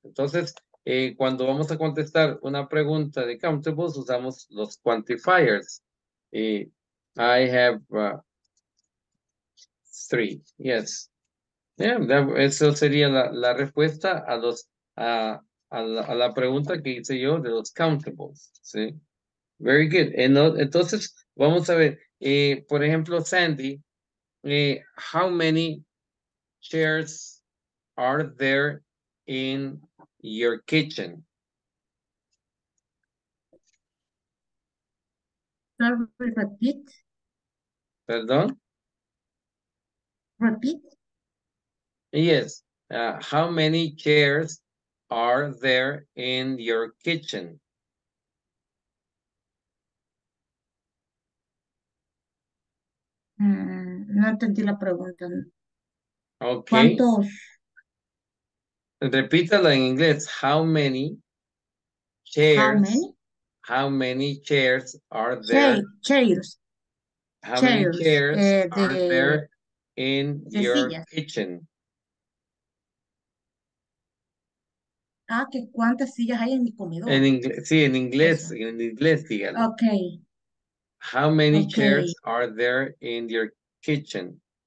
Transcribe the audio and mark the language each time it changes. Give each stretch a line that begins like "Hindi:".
Spanish: Entonces, cuando vamos a contestar una pregunta de countables, usamos los quantifiers.
English: I have three. Yes.
Spanish: Eso sería la respuesta a la pregunta que hice yo de los countables. ¿Sí?
English: Very good.
Spanish: Entonces, vamos a ver. Por ejemplo,
English: Sandy, how many chairs are there in your kitchen?
Spanish: Perdón.
English: Repeat. Yes. How many chairs are there in your kitchen?
Spanish: No entendí la pregunta.
English: Okay.
Spanish: ¿Cuántos? Repítala en inglés.
English: How many chairs? How many chairs are there? How many chairs are there in your kitchen?
Spanish: Ah, que cuántas sillas hay en mi comedor. En inglés, dígalo.
English: Okay. How many chairs are there in your kitchen?